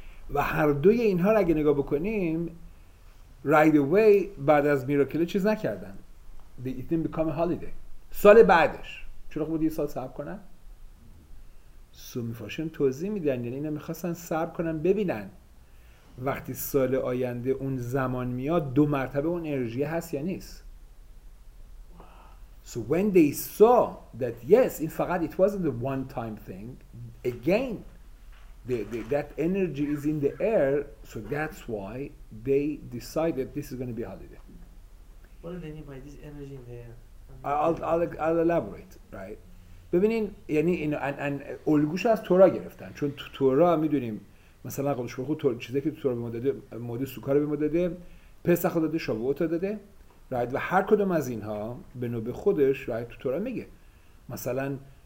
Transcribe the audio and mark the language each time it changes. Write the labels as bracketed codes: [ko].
[fa] و هر دوی اینها را اگه نگاه بکنیم [en] right away [fa] بعد از میراکل چیز نکردن، [en] they didn't become a holiday. [fa] سال بعدش چرا خود یه سال صبر کنن؟ سو میفاشن توضیح میدن، یعنی اینا میخواستن صبر کنن ببینن وقتی سال آینده اون زمان میاد دو مرتبه اون انرژی هست یا نیست. [en] So when they saw that yes, in fact, it wasn't a one-time thing, again, that energy is in the air, so that's why they decided this is going to be a holiday. What do they mean by this energy in the air? I'll elaborate, right? [fa] ببینین یعنی اینو ان الگوشو از تورا گرفتن چون تو تورا میدونیم مثلا قدش بخود تو چیزی که تو تورا به ما داده مودی سوکار به ما داده پسخ داده شاووت داده رایت و هر کدوم از اینها به نوبه خودش رایت تو تورا میگه مثلا